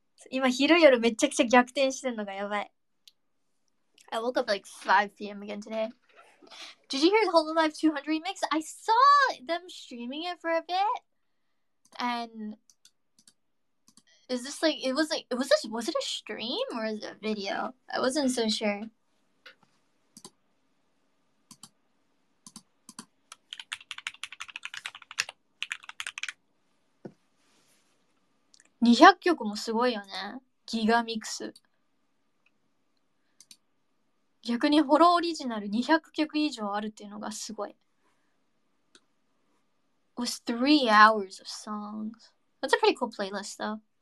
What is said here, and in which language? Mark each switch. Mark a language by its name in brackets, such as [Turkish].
[Japanese] 今昼夜めちゃくちゃ逆転してんのがやばい。 [English] I woke up like 5 p.m. again today. Did you hear the Hololive 200 remix? I saw them streaming it for a bit. And is this like, was it a stream or is it a video? I wasn't so sure. [Japanese] 200曲もすごいよね。ギガミックス。逆にホロオリジナル200曲以上あるっていうのがすごい。 [English] It was 3 hours of songs. That's a pretty cool playlist though.